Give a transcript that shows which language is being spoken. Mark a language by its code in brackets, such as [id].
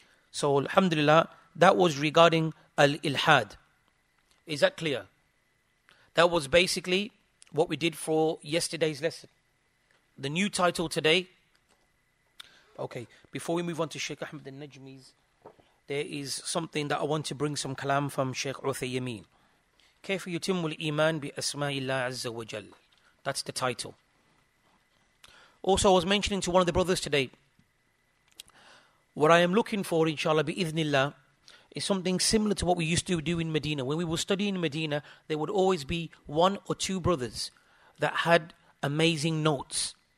[en] So alhamdulillah, that was regarding al-ilhad. Is that clear? That was basically what we did for yesterday's lesson. The new title today. Okay, before we move on to Sheikh Ahmed al-Najmi's, there is something that I want to bring some kalam from Sheikh Uthaymeen. [ar] كيف يتم الإيمان بأسماء الله عز وجل. [en] That's the title. Also, I was mentioning to one of the brothers today, What I am looking for, inshallah, bi-idhnillah, is something similar to what we used to do in Medina. When we were studying in Medina, there would always be one or two brothers that had amazing notes.